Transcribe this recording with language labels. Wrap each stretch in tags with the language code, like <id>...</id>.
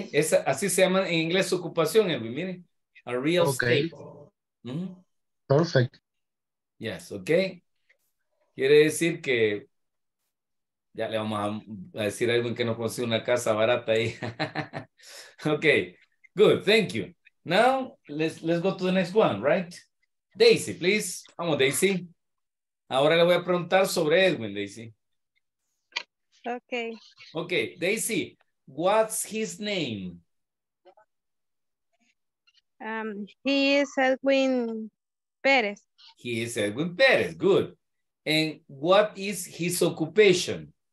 <es>Esa, así se llama en inglés su ocupación, Edwin. Mire,</es> <en>a real estate. Mm-hmm. Perfect. Yes, ok.</en> <es>Quiere decir que ya le vamos a decir a Edwin que nos consiga una casa barata ahí.</es> <en>Ok, good, thank you. Now, let's go to the next one, right? Daisy, please.</en> <es>Vamos,</es> <en>Daisy.</en> <es>Ahora le voy a preguntar sobre Edwin, Daisy.</es> <en>Ok. Ok, Daisy, what's his name? He is Edwin Pérez. He is Edwin Pérez, good. And what is his occupation?</en>